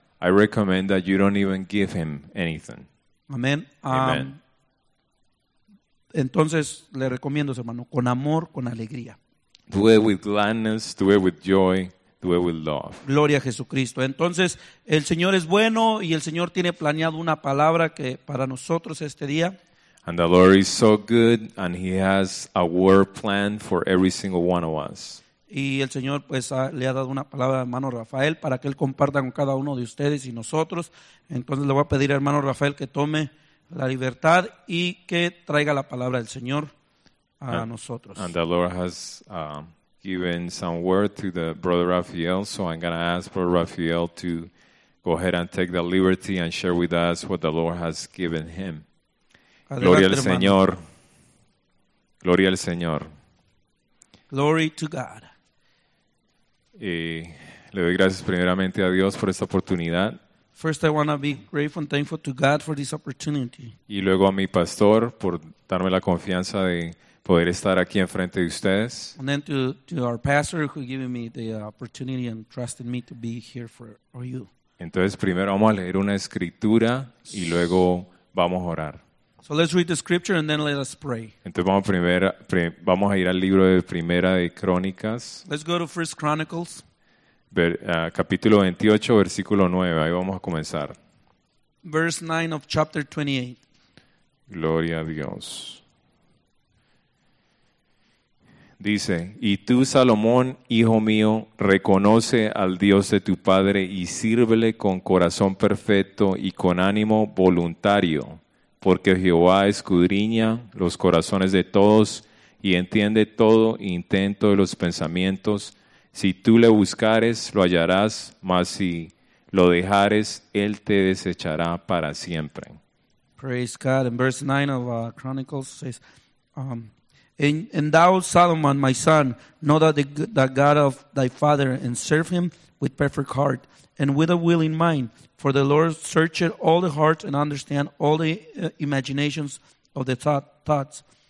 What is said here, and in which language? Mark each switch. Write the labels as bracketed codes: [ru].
[en] I recommend that you don't even give him anything. [es] Amén. [en] Amen. [es] Entonces le recomiendo, hermano, con amor, con alegría. [en] Do it with gladness, do it with joy, do it with love. [es] Gloria a Jesucristo. Entonces, el Señor es bueno y el Señor tiene planeado una palabra que para nosotros este día. [en] And the Lord is so good and he has a word planned for every single one of us. [es] Y el Señor pues le ha dado una palabra a hermano Rafael para que él comparta con cada uno de ustedes y nosotros. Entonces le voy a pedir a hermano Rafael que tome la libertad y que traiga la palabra del Señor a nosotros. [en] And the Lord has given some word to the brother Rafael, so I'm going to ask brother Rafael to go ahead and take the liberty and share with us what the Lord has given him. [es] Adelante, gloria al hermano. Señor. Gloria al Señor. [en] Glory to God. [es] Y le doy gracias primeramente a Dios por esta oportunidad. [en] First, I want to be grateful and thankful to God for this opportunity. [es] Y luego a mi pastor por darme la confianza de poder estar aquí enfrente de ustedes. [en] And then to our pastor who gave me the opportunity and trusted me to be here for you. [es] Entonces, primero vamos a leer una escritura y luego vamos a orar. [en] So let's read the scripture and then let us pray. [es] Entonces vamos a ir al libro de Primera de Crónicas. [en] Let's go to First Chronicles. [es] Capítulo 28, versículo 9. Ahí vamos a comenzar. [en] Verse 9 of chapter 28. [es] Gloria a Dios. Dice, y tú, Salomón, hijo mío, reconoce al Dios de tu padre y sírvele con corazón perfecto y con ánimo voluntario, porque Jehová escudriña los corazones de todos y entiende todo intento de los pensamientos. Si tú le buscares, lo hallarás, mas si lo dejares, él te desechará para siempre. [en] Praise God. In verse 9 of Chronicles says, and thou, Solomon, my son, know that the God of thy father, and serve him with perfect heart and with a willing mind. For the Lord searcheth all the hearts and understand all the imaginations of the thoughts.